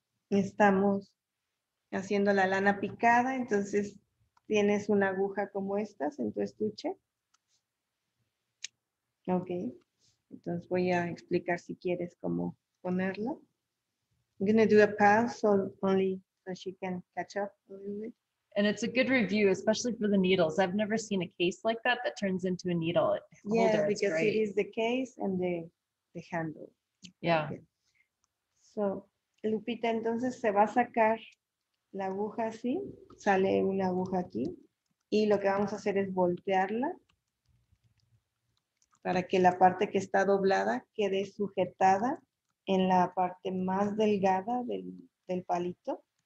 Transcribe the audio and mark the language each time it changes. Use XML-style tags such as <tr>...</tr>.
<es>Estamos haciendo la lana picada, entonces tienes una aguja como estas en tu estuche. Ok. Entonces voy a explicar si quieres cómo ponerlo.</es> <en>I'm going to do a pause so only so she can catch up a little bit. And it's a good review, especially for the needles. I've never seen a case like that that turns into a needle. Yeah, because it is the case and the handle. Yeah.</en> <es>So Lupita, entonces se va a sacar la aguja así, sale una aguja aquí, y lo que vamos a hacer es voltearla para que la parte que está doblada quede sujetada en la parte más delgada del palito.</es>